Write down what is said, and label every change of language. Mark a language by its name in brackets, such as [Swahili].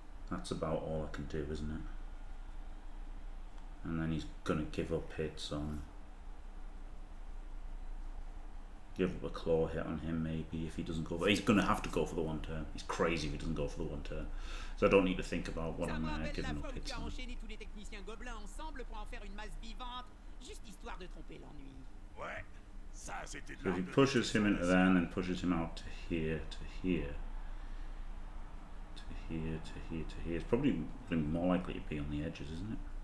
[English] That's about all I can do, isn't it? And then he's going to give up hits on... Give up a claw hit on him maybe if he doesn't go for... He's going to have to go for the one turn. He's crazy if he doesn't go for the one turn. So I don't need to think about what I'm giving up hits on. [French] Enchaîné tous les techniciens gobelins ensemble pour en faire une masse vivante, juste histoire de tromper l'ennui. [English] So he pushes him into there and then pushes him out to here, to here. To here, to here, to here. It's probably more likely to be on the edges, isn't it?